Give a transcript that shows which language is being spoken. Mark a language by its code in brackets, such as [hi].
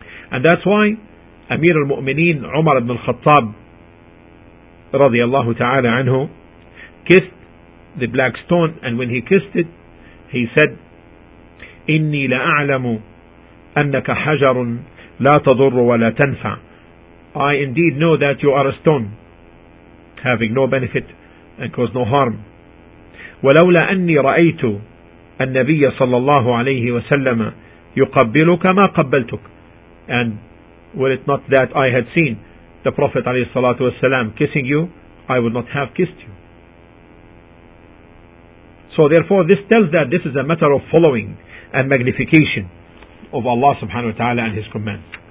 [en] And that's why Amir al-Mu'mineen Umar ibn al-Khattab radiyallahu ta'ala anhu kissed the black stone, and when he kissed it, he said, [ar] إِنِّي لَأَعْلَمُ أَنَّكَ حَجَرٌ لَا تَضُرُّ وَلَا تَنْفَعُ. [en] I indeed know that you are a stone having no benefit and cause no harm. [ar] ولولا أني رأيت النبي صلى الله عليه وسلم يقبلك ما قبلتك. [en] And were it not that I had seen the Prophet [ar] عليه الصلاة والسلام [en] kissing you, I would not have kissed you. So therefore, this tells that this is a matter of following and magnification of Allah subhanahu wa ta'ala and His commands.